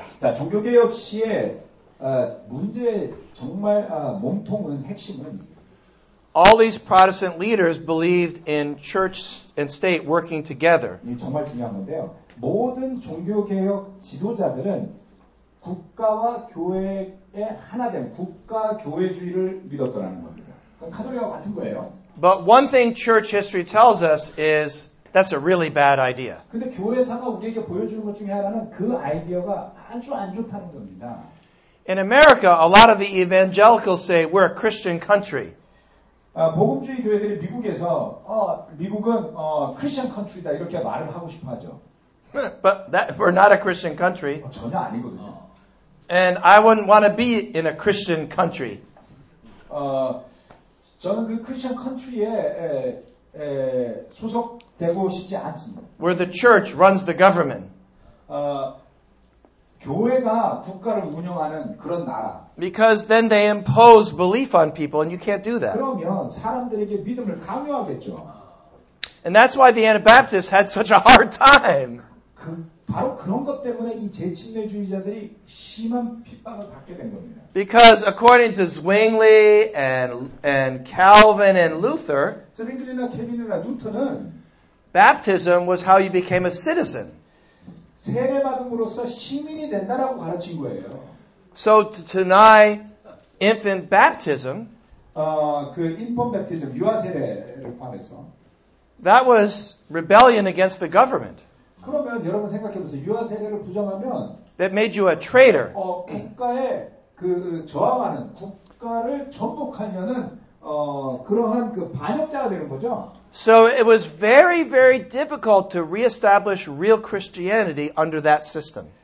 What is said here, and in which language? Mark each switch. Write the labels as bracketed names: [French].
[Korean] 자, 종교개혁 시에 문제 정말 몸통은 핵심은. [English] All these Protestant leaders believed in church and state working together. [Korean] 정말 중요한 건데요. 모든 종교개혁 지도자들은 국가와 교회의 하나됨, 국가 교회주의를 믿었더라는 겁니다. 카톨릭하고 같은 거예요. [English] But one thing church history tells us is that's a really bad idea. [Korean] 근데 교회사가 우리에게 보여주는 것 중에 하나는 그 아이디어가 아주 안 좋다는 겁니다. [English] In America, a lot of the evangelicals say we're a Christian country. [Korean] 복음주의 교회들이 미국에서 미국은 [English] Christian country [Korean] 다 이렇게 말을 하고 싶어하죠. [English] But that we're not a Christian country. [Korean] 전혀 아니거든요. [English] And I wouldn't want to be in a Christian country. [Korean] 저는 그 크리스천 컨트리에 소속되고 싶지 않습니다. [English] Where the church runs the government. [Korean] 교회가 국가를 운영하는 그런 나라. [English] Because then they impose belief on people and you can't do that. [Korean] 그러면 사람들에게 믿음을 강요하겠죠. [English] And that's why the Anabaptists had such a hard time. [Korean] 바로 그런 것 때문에 이 제침례주의자들이 심한 핍박을 받게 된 겁니다. [English] Because according to Zwingli and Calvin and Luther, [Korean] Zwingli나 Calvin이나 Luther는 [English] baptism was how you became a citizen. [Korean] 세례받음으로써 시민이 된다라고 가르친 거예요. [English] So to deny infant baptism, [Korean] 그 [English] infant baptism, [Korean] 유아 세례를 포함해서, [English] that was rebellion against the government. [Korean] 그러면 여러분 생각해 보세요. 유아 세례를 부정하면 [English] that made you a traitor. [Korean] 국가에 그 저항하는 국가를 전복하면은 그러한 그 반역자가 되는 거죠. [English] So it was very very difficult to reestablish real Christianity under that system.